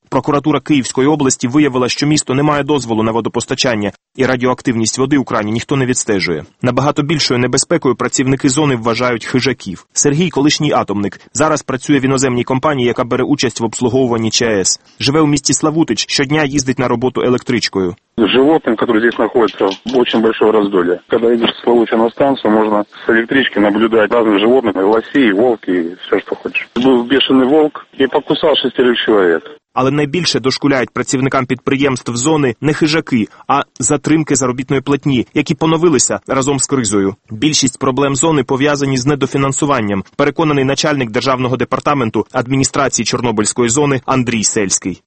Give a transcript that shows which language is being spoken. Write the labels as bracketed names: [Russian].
[Ukrainian] Прокуратура Київської області виявила, що місто не має дозволу на водопостачання, і радіоактивність води у крані ніхто не відстежує. Набагато більшою небезпекою працівники зони вважають хижаків. Сергій – колишній атомник. Зараз працює в іноземній компанії, яка бере участь в обслуговуванні ЧАЕС. Живе у місті Славутич, щодня їздить на роботу електричкою. [Russian] Животным, которые здесь находятся, очень большое раздолье. Когда едешь в Славутич на станцию, можно с электрички наблюдать разных животных, лосей, волки, все, что хочешь. Был бешеный волк и покусал шестерых человек. [Ukrainian] Але найбільше дошкуляють працівникам підприємств зони не хижаки, а затримки заробітної платні, які поновилися разом з кризою. Більшість проблем зони пов'язані з недофінансуванням, переконаний начальник державного департаменту адміністрації Чорнобильської зони Андрій Сельський.